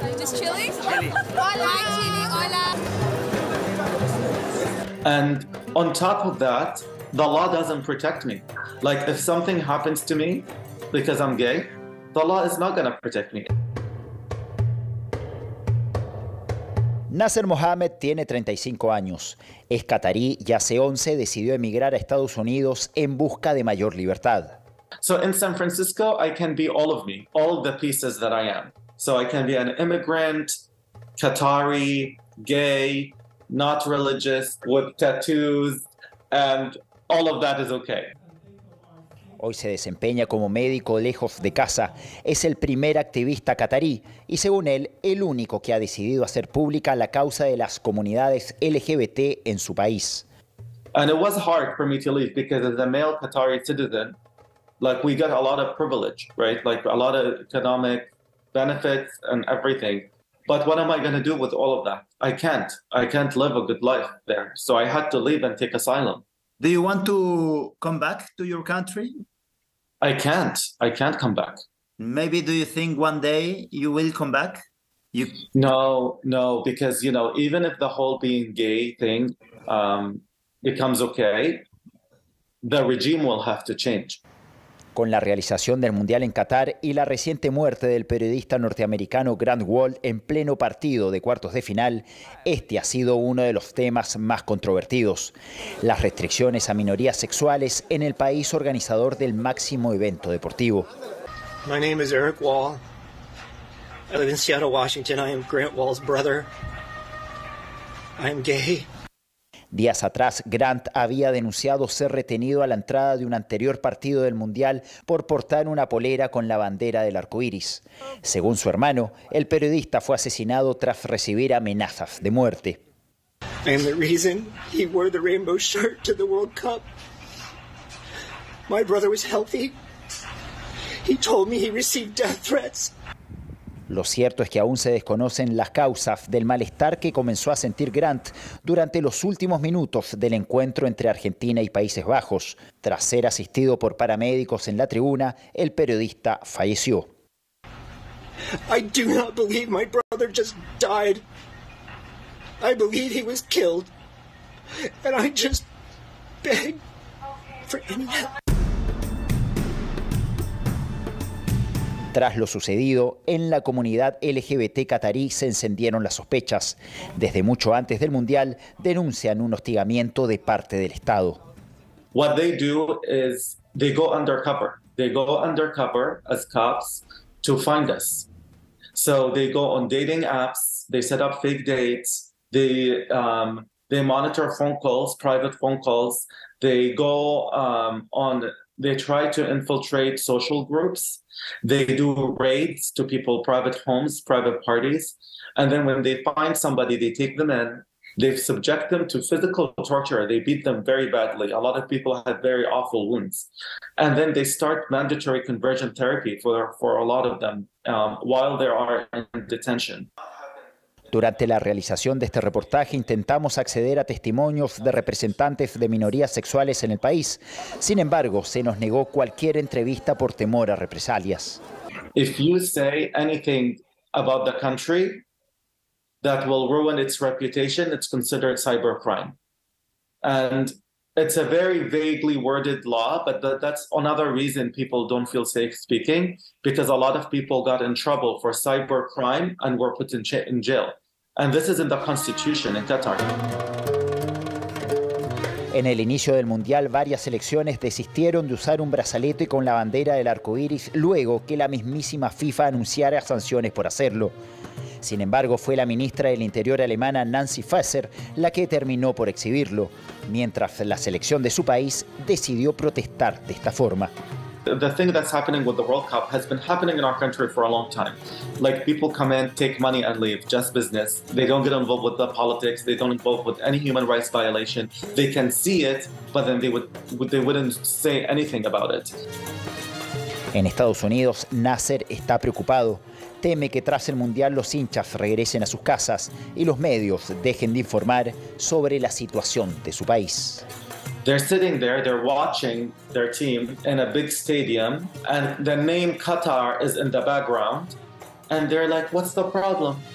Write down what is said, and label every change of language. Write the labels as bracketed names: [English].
[English] Just Chile? Chile. [Spanish] Hola. [English] Hi, [Spanish] Chile. Hola. [English] And on top of that, the law doesn't protect me. Like, if something happens to me because I'm gay, the law is not going to protect me. [Spanish] Nasser Mohammed tiene 35 años, es qatarí y hace 11 decidió emigrar a Estados Unidos en busca de mayor libertad. [English] So in San Francisco I can be all of me, all of the pieces that I am. So I can be an immigrant, Qatari, gay, not religious, with tattoos, and all of that is okay. [Spanish] Hoy se desempeña como médico lejos de casa. Es el primer activista qatarí y, según él, el único que ha decidido hacer pública la causa de las comunidades LGBT en su país. [English] And it was hard for me to leave because as a male Qatari citizen, like, we got a lot of privilege, right? Like a lot of economic benefits and everything. But what am I going to do with all of that? I can't. I can't live a good life there. So I had to leave and take asylum. Do you want to come back to your country? I can't. I can't come back. Maybe do you think one day you will come back? No, because, you know, even if the whole being gay thing becomes okay, the regime will have to change. [Spanish] Con la realización del Mundial en Qatar y la reciente muerte del periodista norteamericano Grant Wall en pleno partido de cuartos de final, este ha sido uno de los temas más controvertidos. Las restricciones a minorías sexuales en el país organizador del máximo evento deportivo. [English] My name is Eric Wall. I live in Seattle, Washington. I am Grant Wall's brother. I am gay. [Spanish] Días atrás, Grant había denunciado ser retenido a la entrada de un anterior partido del Mundial por portar una polera con la bandera del arco iris. Según su hermano, el periodista fue asesinado tras recibir amenazas de muerte. [English] And the reason he wore the rainbow shirt to the World Cup. My brother was healthy. He told me he received death threats. [Spanish] Lo cierto es que aún se desconocen las causas del malestar que comenzó a sentir Grant durante los últimos minutos del encuentro entre Argentina y Países Bajos. Tras ser asistido por paramédicos en la tribuna, el periodista falleció. [English] I do not believe my brother just died. I believe he was killed. And I just beg for any help. [Spanish] Tras lo sucedido, en la comunidad LGBT qatarí se encendieron las sospechas. Desde mucho antes del Mundial, denuncian un hostigamiento de parte del Estado. [English] What they do is they go undercover. They go undercover as cops to find us. So they go on dating apps, they set up fake dates, they They monitor phone calls, private phone calls. They go on, they try to infiltrate social groups. They do raids to people, private homes, private parties. And then when they find somebody, they take them in. They subject them to physical torture. They beat them very badly. A lot of people had very awful wounds. And then they start mandatory conversion therapy for a lot of them while they are in detention. [Spanish] Durante la realización de este reportaje intentamos acceder a testimonios de representantes de minorías sexuales en el país. Sin embargo, se nos negó cualquier entrevista por temor a represalias. [English] If you say anything about the country that will ruin its reputation, it's considered cybercrime. And it's a very vaguely worded law, but that's another reason people don't feel safe speaking, because a lot of people got in trouble for cybercrime and were put in jail. And this is in the constitution in Qatar. [Spanish] En el inicio del mundial, varias selecciones desistieron de usar un brazalete con la bandera del arco iris luego que la mismísima FIFA anunciara sanciones por hacerlo. Sin embargo, fue la ministra del Interior alemana Nancy Faeser la que terminó por exhibirlo, mientras la selección de su país decidió protestar de esta forma. [English] The thing that's happening with the World Cup has been happening in our country for a long time. Like, people come in, take money and leave, just business. They don't get involved with the politics, they don't involve with any human rights violation. They can see it, but then they wouldn't say anything about it. [Spanish] En Estados Unidos, Nasser está preocupado. Teme que tras el Mundial los hinchas regresen a sus casas y los medios dejen de informar sobre la situación de su país. [English] They're sitting there, they're watching their team in a big stadium, and the name Qatar is in the background, and they're like, what's the problem?